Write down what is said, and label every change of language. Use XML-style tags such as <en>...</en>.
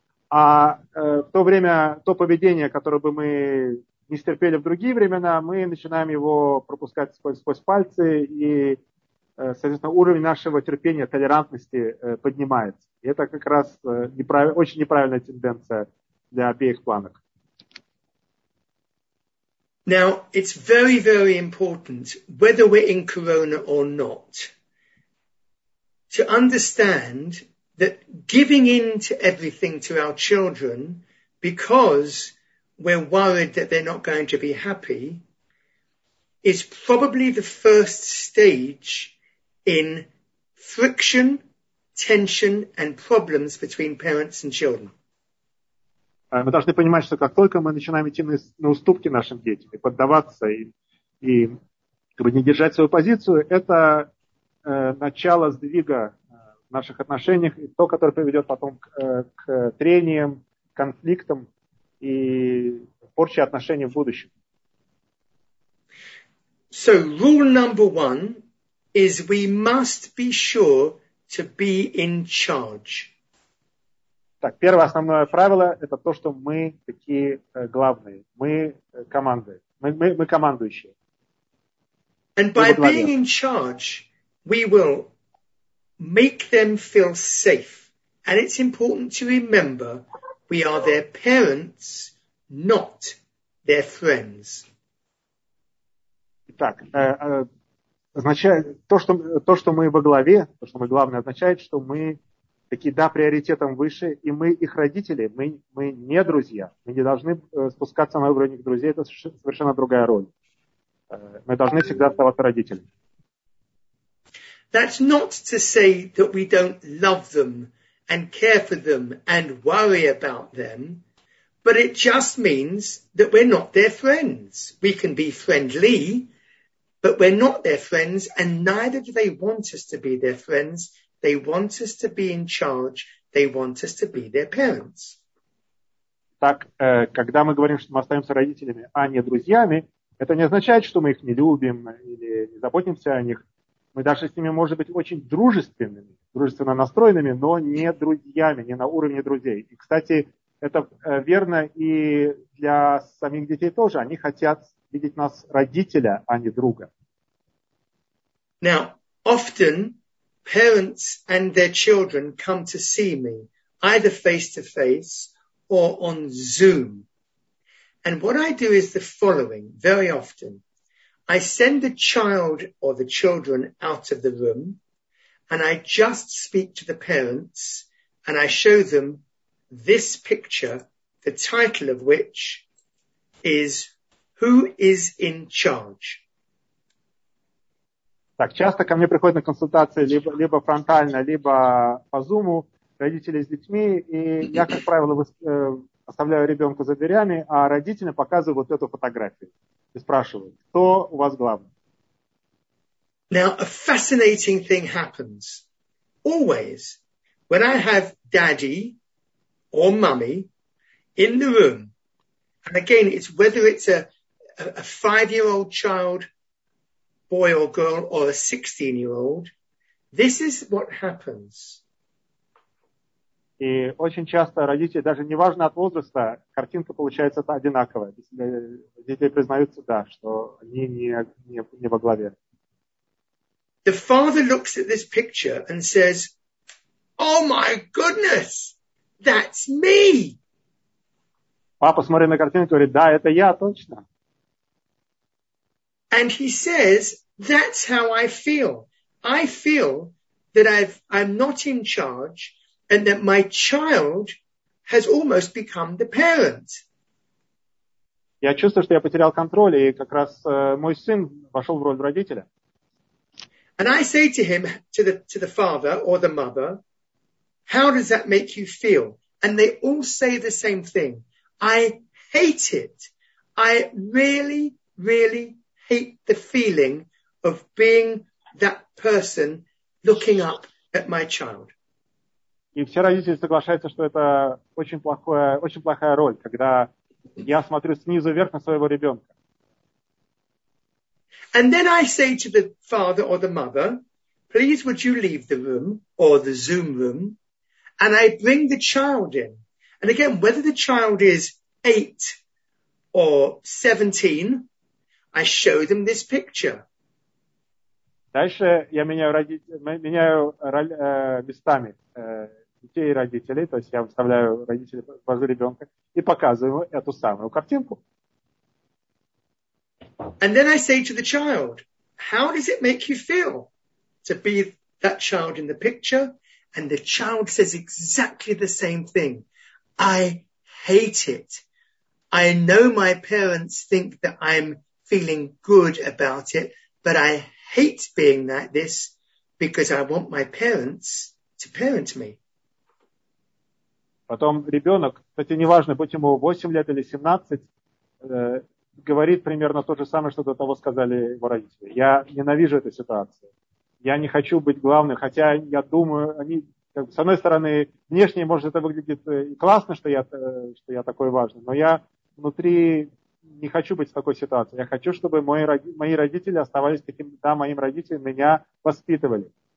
<ru>А в то время, то поведение, которое бы мы не стерпели в другие времена, мы начинаем его пропускать сквозь пальцы, и, соответственно, уровень нашего терпения, толерантности поднимается. И это как раз очень неправильная тенденция для обеих планок.</ru> <en>Now, it's very, very important, whether we're in corona or not, to understand that giving in to everything to our children because we're worried that they're not going to be happy is probably the first stage in friction, tension, and problems between parents and children.</en> <ru>Мы должны понимать, что как только мы начинаем идти на уступки нашим детям, и поддаваться, и как бы не держать свою позицию, это начало сдвига в наших отношениях, и то, которое приведет потом к трениям, конфликтам и порче отношений в будущем.</ru> <en>So rule number one is we must be sure to be in charge.</en> <ru>Так, первое основное правило – это то, что мы такие главные. Мы команды. Мы командующие.</ru> <en>And by being in charge, we will make them feel safe. And it's important to remember, we are their parents, not their friends.</en> <ru>Итак, означает, то, что мы во главе, то, что мы главные, означает, что мы такие, да, приоритетом выше, и мы их родители, мы не друзья. Мы не должны спускаться на уровень друзей, это совершенно другая роль. Мы должны всегда оставаться родителями.</ru> <en>That's not to say that we don't love them and care for them and worry about them, but it just means that we're not their friends. We can be friendly, But we're not their friends, and neither do they want us to be their friends. They want us to be in charge. They want us to be their parents.</en> <ru>Так, когда мы говорим, что мы остаемся родителями, а не друзьями, это не означает, что мы их не любим или не заботимся о них. Мы даже с ними, может быть, очень дружественными, дружественно настроенными, но не друзьями, не на уровне друзей. И, кстати, это верно и для самих детей тоже. Они хотят видеть нас родителя, а не друга.</ru> <en>Now, often parents and their children come to see me, either face-to-face or on Zoom. And what I do is the following, very often. I send the child or the children out of the room and I just speak to the parents and I show them this picture, the title of which is Who is in Charge?</en> <ru>Так, часто ко мне приходят на консультации либо фронтально, либо по Zoom родители с детьми, и я, как правило, оставляю ребенка за дверями, а родители показывают вот эту фотографию. И спрашивают, кто у вас главный?</ru> <en>Now, a fascinating thing happens. Always, when I have daddy or mummy in the room, and again, it's whether it's a five-year-old child, boy or girl, or a 16-year-old, this is what happens.</en> <ru>И очень часто родители, даже неважно от возраста, картинка получается одинаковая. Дети признаются, да, что они не во главе.</ru> <en>The father looks at this picture and says, "Oh my goodness, that's me!"</en> <ru>Папа смотрит на картинку и говорит, да, это я, точно.</ru> <en>And he says, "That's how I feel. I feel that I'm not in charge." And that my child has almost become the parent.</en> <ru>Я чувствую, что я потерял контроль, и как раз мой сын вошел в роль родителя.</ru> <en>And I say to him, to the father or the mother, how does that make you feel? And they all say the same thing. I hate it. I really, really hate the feeling of being that person looking up at my child.</en> <ru>И все родители соглашаются, что это очень плохая роль, когда я смотрю снизу вверх на своего ребенка.</ru> <en>And then I say to the father or the mother, please would you leave the room or the Zoom room, and I bring the child in. And again, whether the child is 8 or 17, I show them this picture.</en> <ru>Дальше я меняю роль местами. Детей и родителей, то есть я выставляю родителей позади ребенка и показываю эту самую картинку.</ru> <en>And then I say to the child, how does it make you feel to be that child in the picture? And the child says exactly the same thing. I hate it. I know my parents think that I'm feeling good about it, but I hate being like this because I want my parents to parent me.</en> <ru>Потом ребенок, кстати, неважно, будь ему 8 лет или 17, говорит примерно то же самое, что до того сказали его родители. Я ненавижу эту ситуацию. Я не хочу быть главным, хотя я думаю, они, как бы, с одной стороны, внешне, может, это выглядит классно, что я такой важный, но я внутри не хочу быть в такой ситуации. Я хочу, чтобы мои родители оставались таким, да, моим родителям меня воспитывали.</ru>